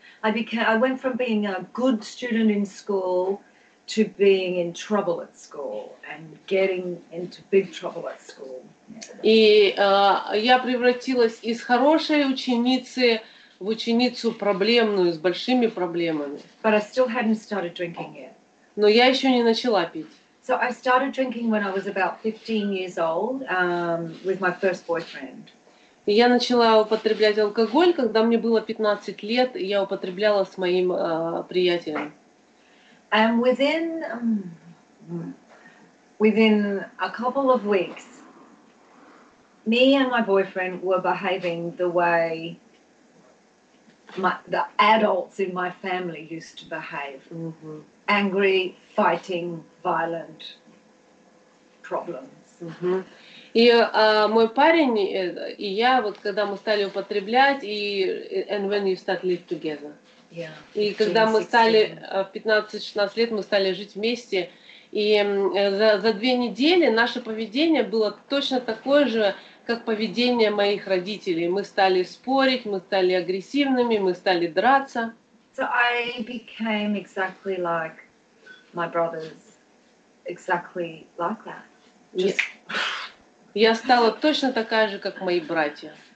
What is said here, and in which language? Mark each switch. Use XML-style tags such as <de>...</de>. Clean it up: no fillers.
<en>I went from being a good student in school to being in trouble at school and getting into big trouble at school.</en> <ru>И я превратилась из хорошей ученицы в ученицу проблемную, с большими проблемами.</ru> <en>But I still hadn't started drinking yet.</en> <ru>Но я еще не начала пить.</ru> <en>So I started drinking when I was about 15 years old, with my first boyfriend.</en> <ru>И я начала употреблять алкоголь, когда мне было 15 лет, и я употребляла с моим приятелем.</ru> <en>And within, within a couple of weeks, me and my boyfriend were behaving the way the adults in my family used to behave. Mm-hmm. Angry, fighting, violent problems.</en> <ru>Mm-hmm. И мой парень и я, вот когда мы стали употреблять, и</ru> <en>and when you start live together. Yeah.</en> <ru>15, и когда мы стали в 15-16 лет, мы стали жить вместе, и за две недели наше поведение было точно такое же, как поведение моих родителей. Мы стали спорить, мы стали агрессивными, мы стали драться.</ru> <en>I became exactly like my brothers, exactly like that. Just</en> <ru>Я стала точно такая же, как мои братья.</ru>